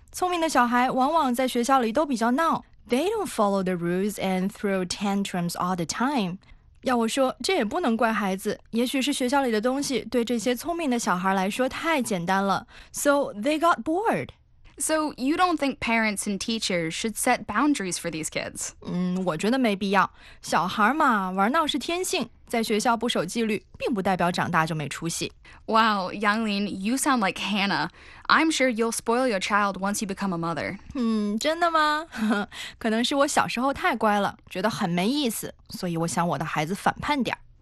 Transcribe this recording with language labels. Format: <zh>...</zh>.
<zh>聪明的小孩往往在学校里都比较闹。</zh> <en>They don't follow the rules and throw tantrums all the time。</en> <zh>要我说，这也不能怪孩子。也许是学校里的东西对这些聪明的小孩来说太简单了 ，</zh> <en>so they got bored。 So you don't think parents and teachers should set boundaries for these kids?</en> <zh>我觉得没必要。小孩嘛，玩闹是天性，在学校不守纪律，并不代表长大就没出息。</zh> <en>Wow, Yanglin, you sound like Hannah. I'm sure you'll spoil your child once you become a mother.</en> <zh>真的吗？可能是我小时候太乖了，觉得很没意思，所以我想我的孩子反叛点。</zh>